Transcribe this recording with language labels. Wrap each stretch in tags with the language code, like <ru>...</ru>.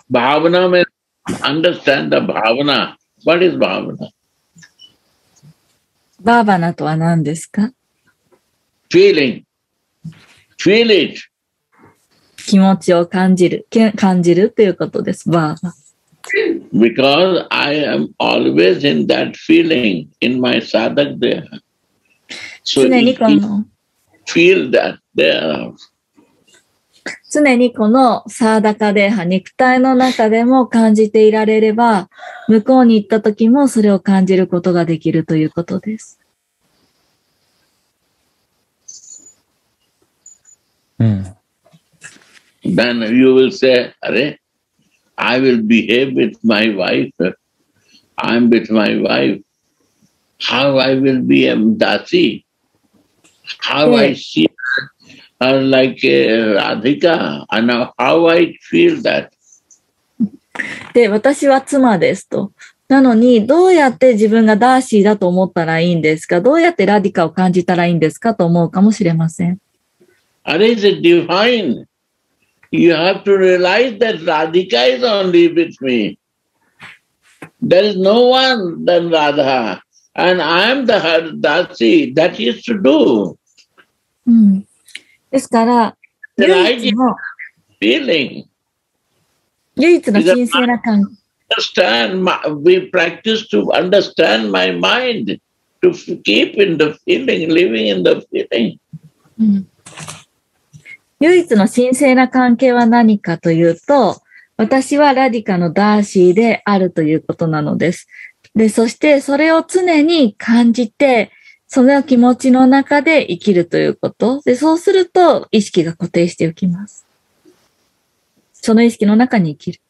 <en>バーバナメ。Understand the bhavana. What is bhavana?</en> <ja>Bhavana とは何ですか?</ja> <en>Feeling. Feel it.</en> <ja>気持ちを感じる、感じるということです。</ja> <en>Bhava. Because I am always in that feeling in my sadhak there.</en> <ja>So 常にこの</ja> <en>feel that there.</en> <ja>常にこのサーダカデーハ、肉体の中でも感じていられれば、向こうに行った時もそれを感じることができるということです。うん。</ja> <en>Then you will say, あれ?I will behave with my wife. I'm with my wife. How I will be a dasi? How I see her like a Radhika? And how I feel that?</en> <ja>で、私は妻ですと。なのに、どうやって自分がダーシーだと思ったらいいんですか？どうやってラディカを感じたらいいんですかと思うかもしれません。あれは divine。</ja> <en>You have to realize that Radhika is only with me. There is no one than Radha. And I am the Darshi. That is to do.、</en> <ja>ですから、唯一の</ja> <en>feeling。</en> <ja>唯一の神聖な感覚。</ja> <en>Understand, we practice to understand my mind, to keep in the feeling, living in the feeling.、</en> <ja>唯一の神聖な関係は何かというと、私はラディカのダーシーであるということなのです。で、そしてそれを常に感じて、その気持ちの中で生きるということ。で、そうすると意識が固定しておきます。その意識の中に生きる。</ja>